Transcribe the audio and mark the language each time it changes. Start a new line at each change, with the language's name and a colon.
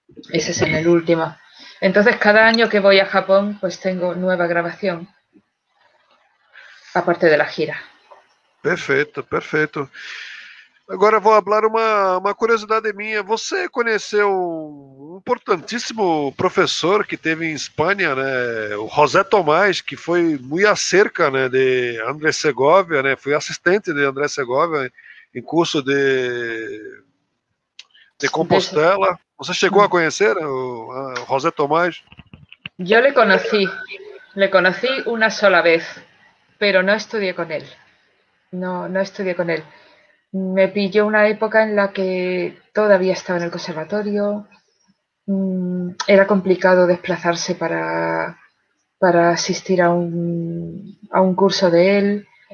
Spanish: Ese es en el último. Entonces, cada año que voy a Japón, pues tengo nueva grabación, aparte de la gira.
Portuguese: Perfeito, perfeito. Agora vou falar uma curiosidade minha. Você conheceu importantíssimo professor que teve em Espanha, né, o José Tomás, que foi muito acerca, né, de André Segovia, né, foi assistente de André Segovia em curso de Compostela. Você chegou a conhecer o José Tomás?
Spanish: Yo le conocí una sola vez, pero no estudié con él. No, no estudié con él. Me pilló una época en la que todavía estaba en el conservatorio. Era complicado desplazarse para asistir a un curso de él.